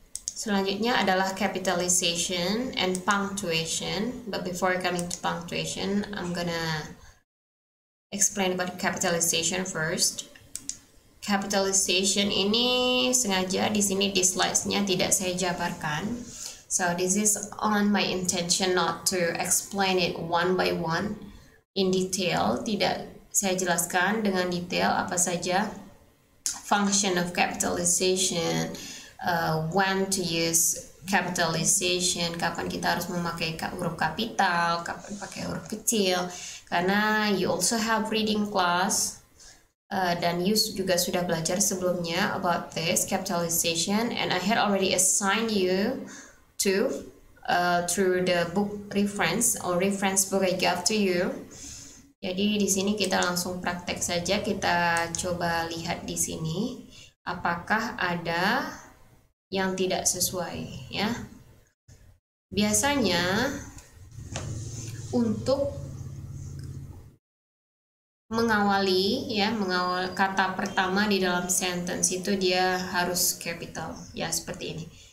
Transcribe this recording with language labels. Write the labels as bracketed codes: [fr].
[id] Selanjutnya adalah [en] capitalization and punctuation. But before coming to punctuation, I'm gonna explain about capitalization first. [id] Capitalization ini sengaja di sini di slides-nya tidak saya jabarkan. [en] So this is on my intention not to explain it one by one in detail. [id] Tidak saya jelaskan dengan detail apa saja [en] function of capitalization, when to use capitalization, [id] kapan kita harus memakai huruf kapital, kapan pakai huruf kecil. Karena [en] you also have reading class. [id] Dan [en] you [id] juga sudah belajar sebelumnya [en] about this capitalization, and I had already assigned you to through the book reference or reference book I gave to you. [id] Jadi di sini kita langsung praktek saja, kita coba lihat di sini apakah ada yang tidak sesuai, ya. Biasanya untuk mengawali, ya, mengawal kata pertama di dalam sentence itu dia harus capital, ya, seperti ini.